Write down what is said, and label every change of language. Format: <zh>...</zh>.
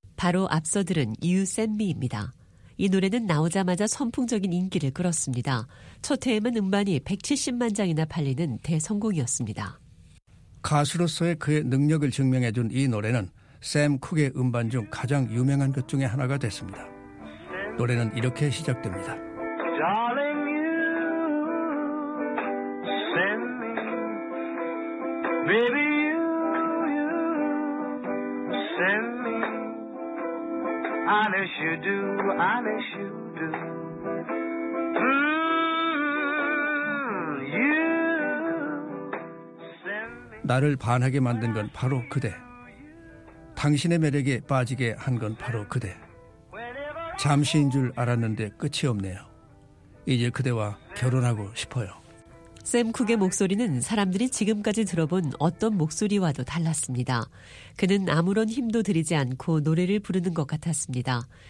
<ko>바로 앞서 들은 You Send Me입니다. 이 노래는 나오자마자 선풍적인 인기를 끌었습니다. 첫 해에만 음반이 170만 장이나 팔리는 대성공이었습니다. 가수로서의 그의 능력을 증명해준 이 노래는 샘 쿡의 음반 중 가장 유명한 것 중에 하나가 됐습니다. 노래는 이렇게 시작됩니다.</ko> <en>Darling you send me baby you you send me I wish you do I wish you do you</en> <ko>나를 반하게 만든 건 바로 그대. 당신의 매력에 빠지게 한 건 바로 그대. 잠시인 줄 알았는데 끝이 없네요. 이제 그대와 결혼하고 싶어요. 샘 쿡의 목소리는 사람들이 지금까지 들어본 어떤 목소리와도 달랐습니다. 그는 아무런 힘도 들이지 않고 노래를 부르는 것 같았습니다.</ko>